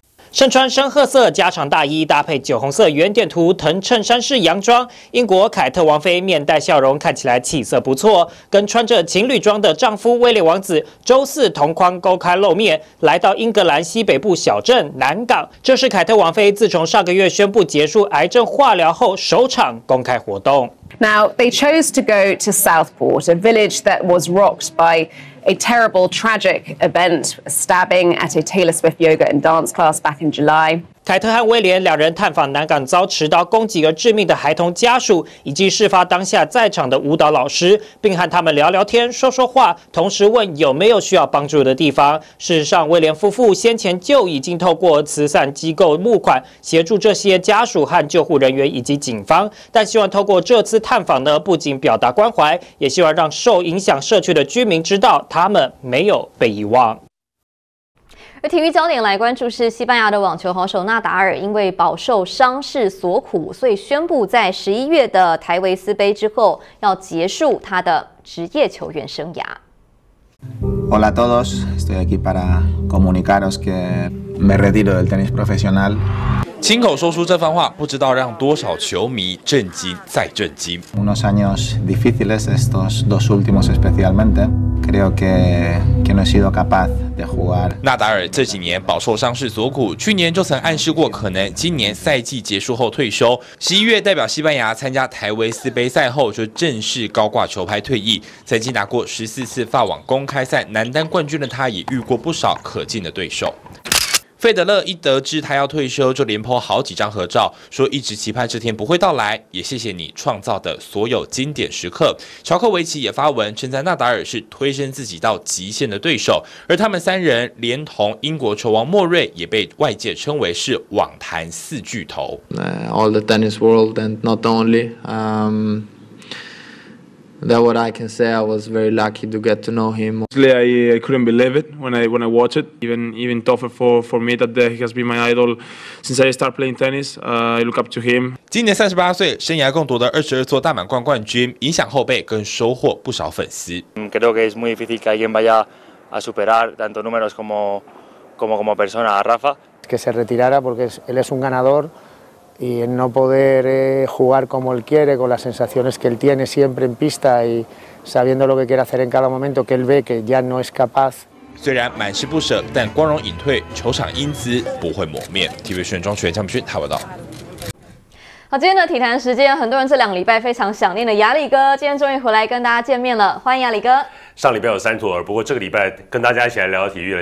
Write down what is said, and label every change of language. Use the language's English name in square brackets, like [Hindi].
[Chinese] 身穿深褐色加长大衣，搭配酒红色圆点图藤衬衫式洋装，英国凯特王妃面带笑容，看起来气色不错。跟穿着情侣装的丈夫威廉王子周四同框公开露面，来到英格兰西北部小镇南港。这是凯特王妃自从上个月宣布结束癌症化疗后首场公开活动。 [English] Now they chose to go to Southport, a village that was rocked by a terrible, tragic event, a stabbing at a Taylor Swift yoga and dance class back in July. [Chinese] 凯特和威廉两人探访南港遭持刀攻击而致命的孩童家属，以及事发当下在场的舞蹈老师，并和他们聊聊天、说说话，同时问有没有需要帮助的地方。事实上，威廉夫妇先前就已经透过慈善机构募款，协助这些家属和救护人员以及警方，但希望透过这次探访呢，不仅表达关怀，也希望让受影响社区的居民知道他们没有被遗忘。而体育焦点来关注是西班牙的网球好手纳达尔，因为饱受伤势所苦，所以宣布在11月的台维斯杯之后要结束他的职业球员生涯。 [Spanish] Hola a todos, estoy aquí para comunicaros que me retiro del tenis profesional。 [Chinese] 亲口说出这番话，不知道让多少球迷震惊再震惊。 [Spanish] Unos años difíciles estos dos últimos especialmente。 creo que no he sido capaz de jugar. [Chinese] 纳达尔这几年饱受伤势所苦，去年就曾暗示过可能今年赛季结束后退休。十一月代表西班牙参加台维斯杯赛后，就正式高挂球拍退役。曾经拿过14次法网公开赛男单冠军的他，也遇过不少可敬的对手。费德勒一得知他要退休，就连 po 好几张合照，说一直期盼这天不会到来，也谢谢你创造的所有经典时刻。乔克维奇也发文称赞纳达尔是推升自己到极限的对手，而他们三人连同英国球王莫瑞也被外界称为是网坛四巨头。 [English] All the tennis world and not only, that what I can say. I was very lucky to get to know him. Honestly, I couldn't believe it when I watched it. Even tougher for me that he has been my idol since I started playing tennis. I look up to him. [Chinese] 今年38岁，生涯共夺的22座大满贯冠军，影响后辈，更收获不少粉丝。 [Spanish] Creo que es muy difícil que alguien vaya a superar tanto números como persona a Rafa. Que se retirara porque él es un ganador. Y el no poder jugar como él quiere, con las sensaciones que él tiene siempre en pista y sabiendo lo que quiere hacer en cada momento, que él ve que ya no es capaz. [Chinese] 虽然满是不舍，但光荣隐退，球场英姿不会磨灭。 TVBS 新闻庄学江明勋台报道。好，今天的体坛时间，很多人这两个礼拜非常想念的亚力哥，今天终于回来跟大家见面了，欢迎亚力哥。上礼拜有三组，不过这个礼拜跟大家一起来聊体育了。